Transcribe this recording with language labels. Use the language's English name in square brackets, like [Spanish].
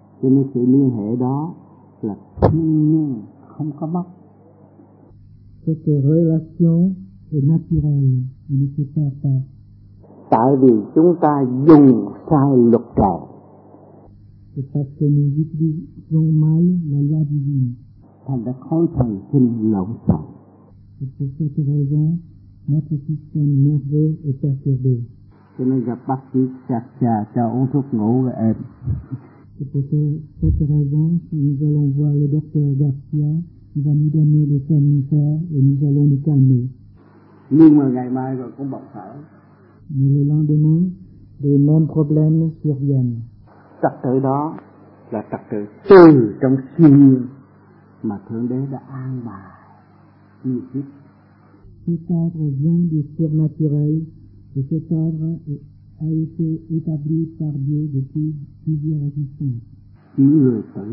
[Vietnamese] Cho nên sự liên hệ đó là thiên nhiên, không có mất. [French] Cette relation est naturelle, il ne se perd pas. [Vietnamese] Tại vì chúng ta dùng sai luật trời. [French] C'est parce que nous utilisons mal la loi divine. [Vietnamese] Thành ra khối thần kinh lộn xộn. [French] Et pour cette raison, notre système nerveux est perturbé. [Vietnamese] Cho nên gặp bác sĩ chặt chà cho uống thuốc ngủ với em. [French] Et pour cette raison, si nous allons voir le docteur Garcia, il va nous donner des somnifères et nous allons nous calmer. [Vietnamese] Nhưng mà ngày mai rồi cũng bộc phải. [French] Mais le lendemain, les mêmes problèmes surviennent. [Vietnamese] Trật tự đó là trật tự từ trong siêu nhiên mà Thượng Đế đã an bài. [French] Cet ordre vient du surnaturel et cet ordre a été établi par Dieu depuis plusieurs existences.